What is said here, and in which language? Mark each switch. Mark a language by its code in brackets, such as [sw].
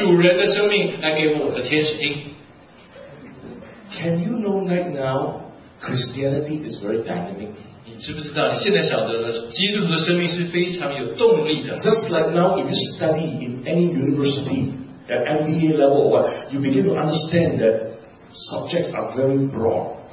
[zh] 我的天使在跟对方那个天使讲我的生命，对方那个天使在讲他的主人的生命，来给我的天使听。 [en] Can you know right now, Christianity is very dynamic. [zh] 你知不知道，你现在晓得了，基督徒的生命是非常有动力的。 [en] Just like now, if you study in any university, at MBA level, what you begin to understand that subjects are very broad.